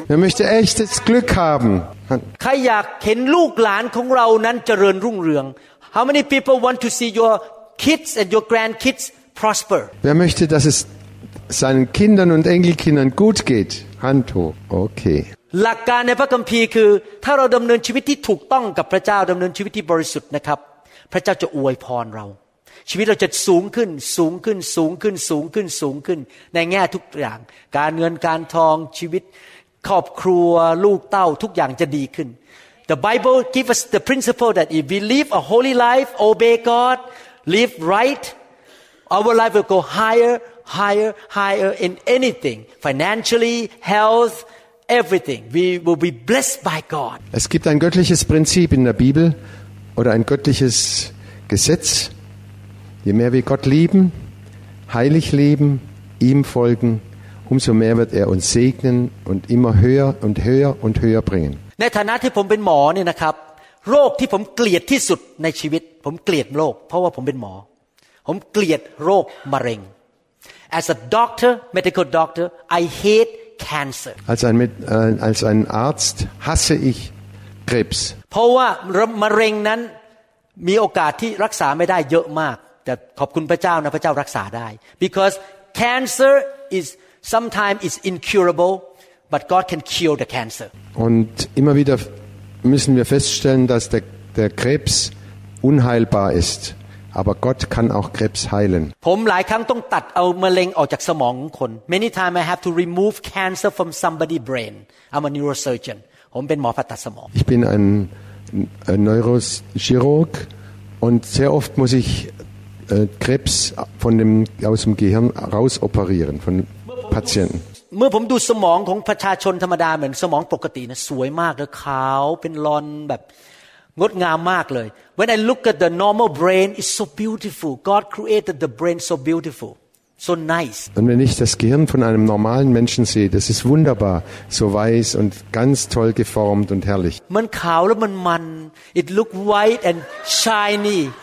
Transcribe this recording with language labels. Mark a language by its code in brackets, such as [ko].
[de] Wer möchte echtes Glück haben? [th] ใครอยากเห็นลูกหลานของเรานั้นเจริญรุ่งเรือง [en] How many people want to see your kids and your grandkids prosper? [de] Wer möchte, dass es seinen Kindern und Enkelkindern gut geht? Hand hoch. Okay. [th] หลักการในพระคัมภีร์คือถ้าเราดำเนินชีวิตที่ถูกต้องกับพระเจ้าดำเนินชีวิตที่บริสุทธิ์นะครับพระเจ้าจะอวยพรเรา ชีวิตเราจะสูงขึ้นสูงขึ้นสูงขึ้นสูงขึ้นสูงขึ้นในแง่ทุกอย่างการเงินการทองชีวิตครอบครัวลูกเต้าทุกอย่างจะดีขึ้น [en] The Bible gives us the principle that if we live a holy life, obey God, live right, our life will go higher, higher, higher in anything, financially, health, everything. We will be blessed by God. [de] Es gibt ein göttliches Prinzip in der Bibel oder ein göttliches Gesetz. Je mehr wir Gott lieben, heilig leben, ihm folgen, umso mehr wird er uns segnen und immer höher und höher und höher bringen. [th] ในฐานะที่ผมเป็นหมอเนี่ยนะครับโรคที่ผมเกลียดที่สุดในชีวิตผมเกลียดโรคเพราะว่าผมเป็นหมอผมเกลียดโรคมะเร็ง [en] As a doctor, medical doctor, I hate cancer. [de] Als ein Arzt hasse ich Krebs. [th] เพราะว่ามะเร็งนั้นมีโอกาสที่รักษาไม่ได้เยอะมากแต่ขอบคุณพระเจ้านะพระเจ้ารักษาได้ [en] because cancer is sometimes is incurable but God can cure the cancer [de] und immer wieder müssen wir feststellen dass der Krebs unheilbar ist aber Gott kann auch Krebs heilen [th] ผมหลายครั้งต้องตัดเอามะเร็งออกจากสมองคน [en] many times I have to remove cancer from somebody's brain I'm a neurosurgeon [th] ผมเป็นหมอผ่าตัดสมอง [de] ich bin ein Neurochirurg und sehr oft muss ichKrebs aus dem Gehirn raus operieren von Patienten. [th] เมื่อผมดูสมองของประชาชนธรรมดาเหมือนสมองปกตินะสวยมากเลยขาวเป็นลอนแบบงดงามมากเลย [en] When I look at the normal brain, it's so beautiful. God created the brain so beautiful, so nice. [de] Und wenn ich das Gehirn von einem normalen Menschen sehe, das ist wunderbar, so weiß und ganz toll geformt und herrlich. [th] มันขาวแล้วมัน [en] it look white and shiny.